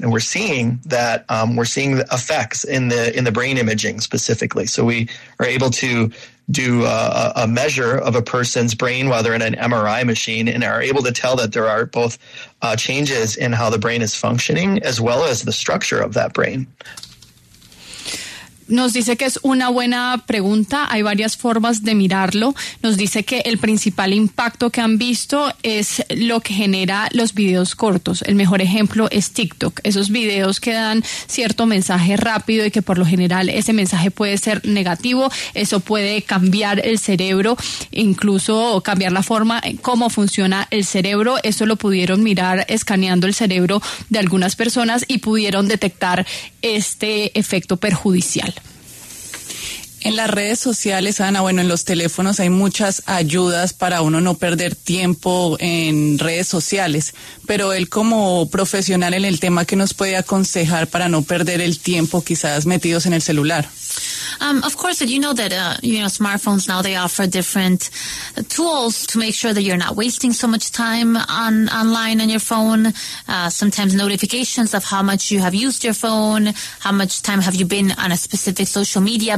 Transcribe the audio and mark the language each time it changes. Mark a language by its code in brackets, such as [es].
[en] And we're seeing that the effects in the brain imaging specifically. So we are able to do a measure of a person's brain while they're in an MRI machine, and are able to tell that there are both changes in how the brain is functioning as well as the structure of that brain. [es] Nos dice que es una buena pregunta. Hay varias formas de mirarlo. Nos dice que el principal impacto que han visto es lo que genera los videos cortos. El mejor ejemplo es TikTok. Esos videos que dan cierto mensaje rápido y que por lo general ese mensaje puede ser negativo. Eso puede cambiar el cerebro, incluso cambiar la forma en cómo funciona el cerebro. Eso lo pudieron mirar escaneando el cerebro de algunas personas y pudieron detectar este efecto perjudicial. En las redes sociales, Ana, bueno, en los teléfonos hay muchas ayudas para uno no perder tiempo en redes sociales, pero él como profesional en el tema, ¿qué nos puede aconsejar para no perder el tiempo quizás metidos en el celular? [en] Of course, you know that smartphones now they offer different tools to make sure that you're not wasting so much time online on your phone. Sometimes notifications of how much you have used your phone, how much time have you been on a specific social media.